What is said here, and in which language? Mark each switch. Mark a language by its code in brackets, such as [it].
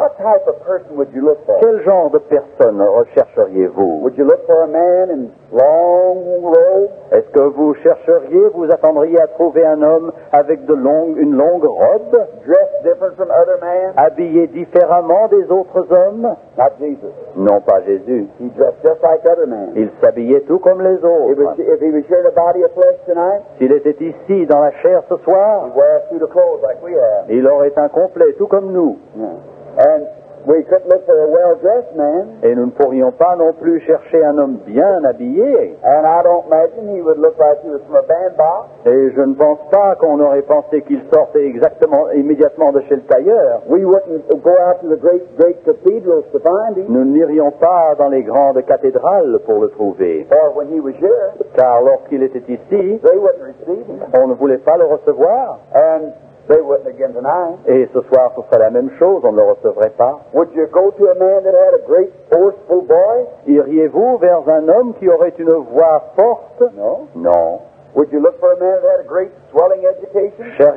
[en] what type of person would you look for? [fr] Quel genre de personne rechercheriez-vous? [en] Would you look for a man in long robes? [fr] Est-ce que vous attendriez à trouver un homme avec une longue robe? [en] Dressed different from other men? [fr] Habillé différemment des autres hommes? [en] Not Jesus. [fr] Non, pas Jésus. [en] He dressed just like other men. [fr] Il s'habillait tout comme les autres. [en] If he was here in the body of flesh tonight, [fr] s'il était ici dans la chair ce soir, [en] he'd wear a suit of clothes like we have. [fr] Il aurait un complet tout comme nous. [en] Yeah. And we couldn't look for a well-dressed man. [fr] Et nous ne pourrions pas non plus chercher un homme bien habillé. [en] And I don't imagine he would look like he was from a bandbox. [fr] Et je ne pense pas qu'on aurait pensé qu'il sortait exactement immédiatement de chez le tailleur. [en] We wouldn't go out to the great cathedrals to find him. [fr] Nous n'irions pas dans les grandes cathédrales pour le trouver. [en] Or when he was here, [fr] car lorsqu'il était ici, [en] they wouldn't receive him. [fr] On ne voulait pas le recevoir. [en] And they wouldn't again tonight. [fr] Et ce soir, ce serait la même chose, on ne le recevrait pas. [en] Would you go to a man that had a great forceful voice? [fr] Iriez-vous vers un homme qui aurait une voix forte? [en] No. [fr] Non. [en] Would you look for a man that had a great swelling education?